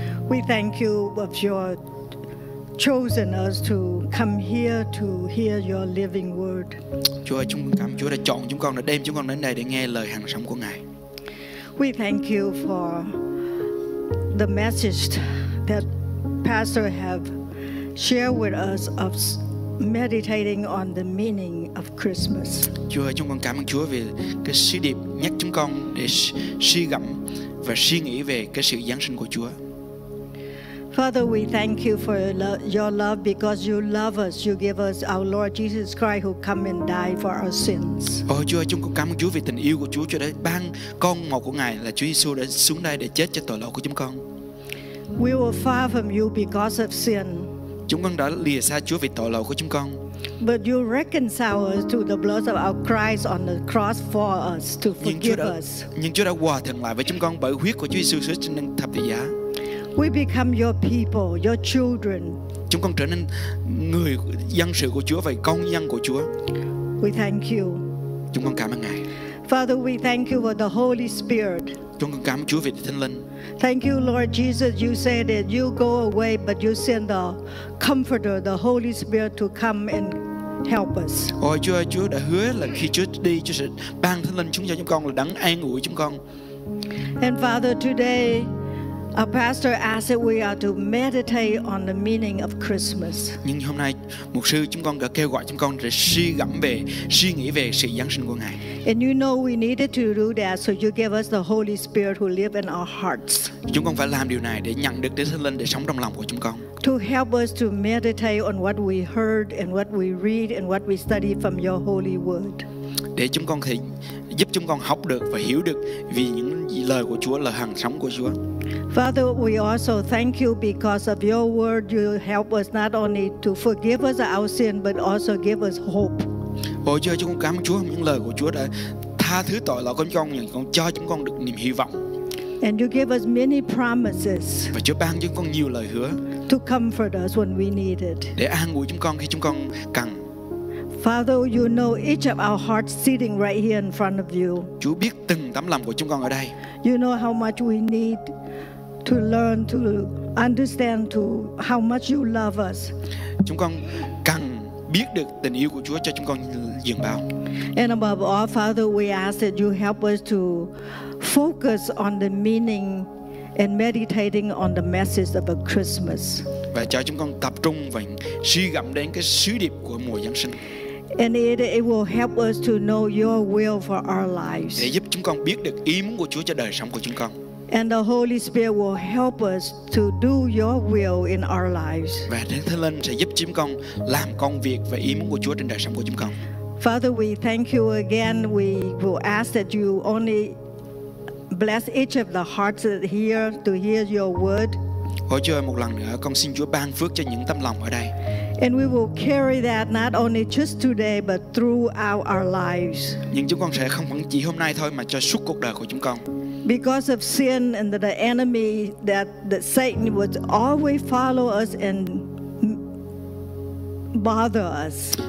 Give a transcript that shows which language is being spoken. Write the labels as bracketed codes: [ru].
[en] We thank you of your chosen us to come here to hear your living word. [vi] Chúa ơi, chúng con cảm ơn Chúa đã chọn chúng con, đã đem chúng con đến đây để nghe lời hằng sống của Ngài. [en] We thank you for the message that pastor have shared with us of meditating on the meaning of Christmas. [vi] Chúa ơi, chúng con cảm ơn Chúa vì cái sứ điệp nhắc chúng con để suy gẫm và suy nghĩ về cái sự Giáng sinh của Chúa. [en] Father, we thank you for your love because you love us. You give us our Lord Jesus Christ who come and die for our sins. [vi] Ôi Chúa, chúng con cảm ơn Chúa vì tình yêu của Chúa cho đến ban con một của Ngài là Chúa Giêsu đã xuống đây để chết cho tội lỗi của chúng con. [en] We were far from you because of sin. [vi] Chúng con đã lìa xa Chúa vì tội lỗi của chúng con. [en] But you reconcile us to the blood of our Christ on the cross for us to forgive us. [vi] Nhưng Chúa đã hòa thuận lại với chúng con bởi huyết của Chúa Giêsu trên thập tự giá. [en] We become your people, your children. [vi] Chúng con trở nên người dân sự của Chúa và con dân của Chúa. [en] We thank you. [vi] Chúng con cảm ơn Ngài. [en] Father, we thank you for the Holy Spirit. [vi] Chúng con cảm ơn Chúa vì Thánh Linh. [en] Thank you, Lord Jesus. You said that you go away, but you send the Comforter, the Holy Spirit, to come and help us. [vi] Ôi Chúa, Chúa đã hứa là khi Chúa đi, Chúa sẽ ban Thánh Linh xuống cho chúng con là đấng an ủi chúng con. [en] And Father, today our pastor asked that we are to meditate on the meaning of Christmas. [vi] Nhưng hôm nay mục sư chúng con đã kêu gọi chúng con để suy gẫm về, suy nghĩ về sự Giáng sinh của Ngài. [en] And you know we needed to do that, so you gave us the Holy Spirit who live in our hearts. [vi] Chúng con phải làm điều này để nhận được Đức Thánh Linh để sống trong lòng của chúng con. [en] To help us to meditate on what we heard and what we read and what we study from your Holy Word. [vi] Để chúng con thể giúp chúng con học được và hiểu được vì những lời của Chúa là hằng sống của Chúa. [en] Father, we also thank you because of your word. You help us not only to forgive us our sin, but also give us hope. [vi] Ôi Chúa, chúng con cảm ơn Chúa vì những lời của Chúa đã tha thứ tội lỗi của chúng con, nhưng cho chúng con được niềm hy vọng. [en] And you give us many promises. [vi] Và Chúa ban cho chúng con nhiều lời hứa. [en] To comfort us when we need it. [vi] Để an ủi chúng con khi chúng con cần. [en] Father, you know each of our hearts sitting right here in front of you. [vi] Chúa biết từng tấm lòng của chúng con ở đây. [en] You know how much we need to learn to understand to how much you love us. [vi] Chúng con cần biết được tình yêu của Chúa cho chúng con dường bao. [en] And above all, Father, we ask that you help us to focus on the meaning and meditating on the message of a Christmas. [vi] Và cho chúng con tập trung và suy gẫm đến cái sứ điệp của mùa Giáng sinh. [en] And it will help us to know your will for our lives. [vi] Để giúp chúng con biết được ý muốn của Chúa cho đời sống của chúng con. [en] And the Holy Spirit will help us to do your will in our lives. [vi] Và Thánh Linh sẽ giúp chúng con làm công việc và ý muốn của Chúa trên đời sống của chúng con. [en] Father, we thank you again. We will ask that you only bless each of the hearts that here to hear your word. [vi] Ôi Chúa, một lần nữa con xin Chúa ban phước cho những tấm lòng ở đây. [en] And we will carry that not only just today but throughout our lives. [vi] Nhưng chúng con sẽ không chỉ hôm nay thôi mà cho suốt cuộc đời của chúng con. [en] Because of sin and the enemy that Satan would always follow us and bother us.